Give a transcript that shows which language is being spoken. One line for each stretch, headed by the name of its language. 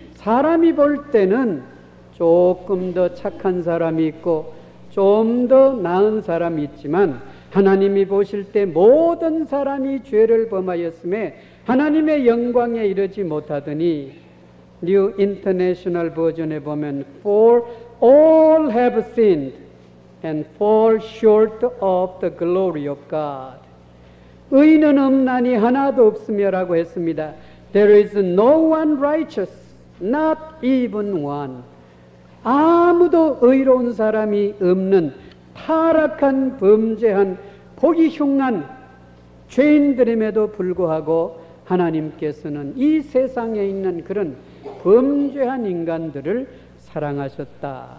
Korean: 사람이 볼 때는 조금 더 착한 사람이 있고 좀 더 나은 사람이 있지만 하나님이 보실 때 모든 사람이 죄를 범하였음에 하나님의 영광에 이르지 못하더니 New International Version에 보면
English: For all have sinned and fall short of the glory of God.
Korean: 의인은 없나니 하나도 없으며라고 했습니다.
English: There is no one righteous, not even one.
Korean: 아무도 의로운 사람이 없는 타락한 범죄한 보기 흉한 죄인들임에도 불구하고 하나님께서는 이 세상에 있는 그런 범죄한 인간들을 사랑하셨다.